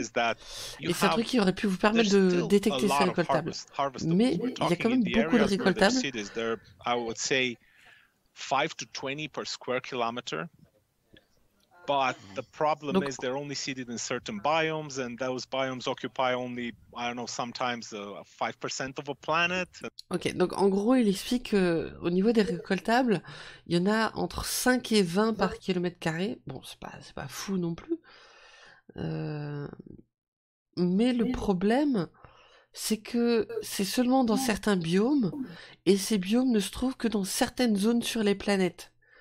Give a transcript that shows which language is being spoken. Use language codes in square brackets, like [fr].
[fr] Et c'est un truc qui aurait pu vous permettre de détecter ces récoltables. Mais il y a quand même beaucoup de récoltables. [en] I would say 5 to 20 per square kilometer. But the problem is they're only seeded in certain biomes, and those biomes occupy only, I don't know, sometimes 5% of a planet. [fr] Ok, donc en gros, il explique qu'au niveau des récoltables, il y en a entre 5 et 20 par kilomètre carré. Bon, c'est pas fou non plus. Mais le problème, c'est que c'est seulement dans certains biomes, et ces biomes ne se trouvent que dans certaines zones sur les planètes.